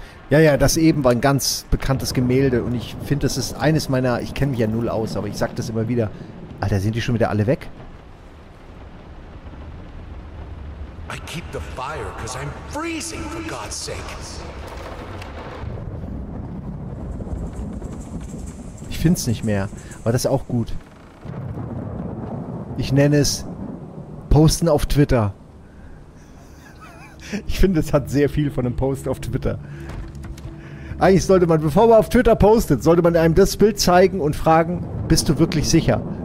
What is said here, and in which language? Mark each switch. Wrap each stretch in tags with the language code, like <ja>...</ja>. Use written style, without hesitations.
<de>Ja, ja, das eben war ein ganz bekanntes Gemälde und ich finde, das ist eines meiner... Ich kenne mich ja null aus, aber ich sag das immer wieder. Alter, sind die schon wieder alle weg?</de> <en>I keep the fire, 'cause I'm freezing, for God's sake.</en> <de>Ich finde es nicht mehr, aber das ist auch gut. Ich nenne es Posten auf Twitter. Ich finde, es hat sehr viel von einem Post auf Twitter. Eigentlich sollte man, bevor man auf Twitter postet, sollte man einem das Bild zeigen und fragen, bist du wirklich sicher?</de>